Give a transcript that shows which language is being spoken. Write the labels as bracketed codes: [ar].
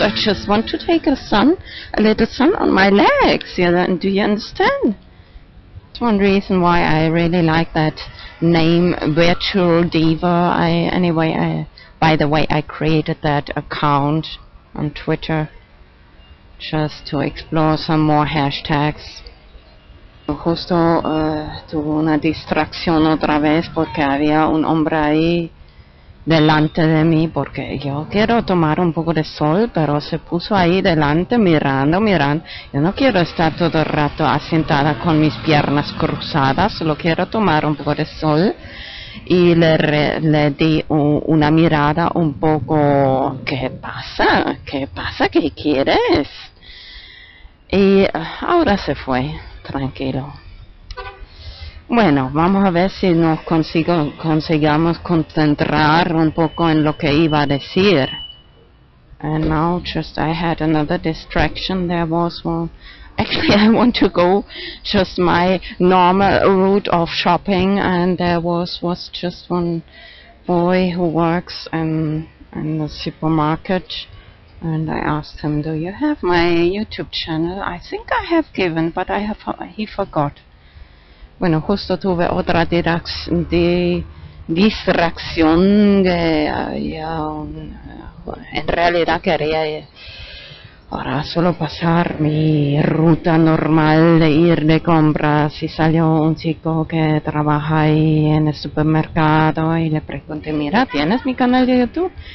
[en] I just want to take a little sun on my legs, you know, and do you understand? That's one reason why I really like that name Virtual Diva. By the way, I created that account on Twitter just to explore some more hashtags. [es] Justo tuve una distracción otra vez porque había un hombre ahí delante de mí, porque yo quiero tomar un poco de sol, pero se puso ahí delante mirando. Yo no quiero estar todo el rato asentada con mis piernas cruzadas, solo quiero tomar un poco de sol. Y le di una mirada un poco, ¿qué pasa? ¿Qué pasa? ¿Qué quieres? Y ahora se fue, tranquilo. Bueno, vamos a ver si nos consigamos concentrar un poco en lo que iba a decir. [en] And now just I had another distraction. There was one. Actually, I want to go just my normal route of shopping, and there was just one boy who works in the supermarket, and I asked him, do you have my YouTube channel? I think I have given, but he forgot. [es] Bueno, justo tuve otra distracción que en realidad quería para solo pasar mi ruta normal de ir de compras. Y salió un chico que trabaja ahí en el supermercado y le pregunté, mira, ¿tienes mi canal de YouTube?